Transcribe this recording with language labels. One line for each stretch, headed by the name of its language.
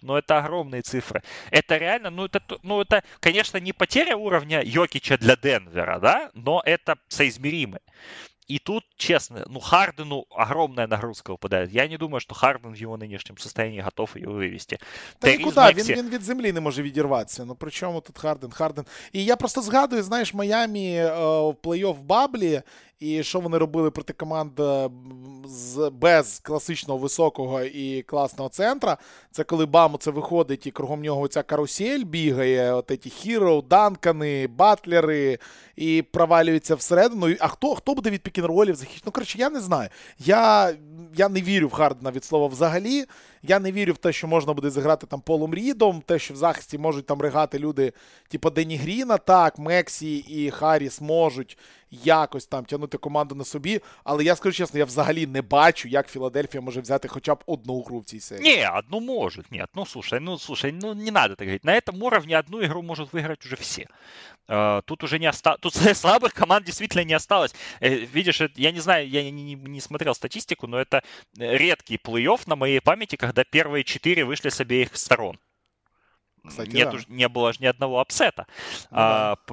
Russian: Ну это огромные цифры. Это реально, это, конечно, не потеря уровня Йокича для Денвера, да? Но это соизмеримо. И тут, честно, ну, Хардену огромная нагрузка выпадает. Я не думаю, что Харден в его нынешнем состоянии готов ее вывести. Та никуда, Мексі...
Ukrainian: він від землі не може відірватися. Ну, при чому тут Харден? І я просто згадую, знаєш, Майами в плей-офф баблі, і що вони робили проти команд без класичного високого і класного центра. Це коли Баму це виходить, і кругом нього ця карусель бігає, от ці Hero, Данкани, Батлери, і провалюється всередину. А хто буде від пікінролів захищати? Ну, коротше, я не знаю. Я не вірю в Хардена від слова взагалі. Я не вірю в те, що можна буде зіграти там Полом Рідом, те, що в захисті можуть там ригати люди, типу Дені Гріна, так, Мексі і Харріс можуть якось там тягнути команду на собі, але я скажу чесно, я взагалі не бачу, як Філадельфія може взяти хоча б одну гру в цій серії. Ні, одну можуть, ні,
Russian: ну слушай,
Ukrainian: ну не треба так говорити, на цьому рівні одну гру можуть виграти вже всі.
Russian: Тут уже не осталось, тут слабых команд действительно не осталось. Видишь, я не знаю, я не смотрел статистику, но это редкий плей-офф на моей памяти, когда первые четыре вышли с обеих сторон. Кстати, нету, да. Не было ни одного апсета. Ну, да.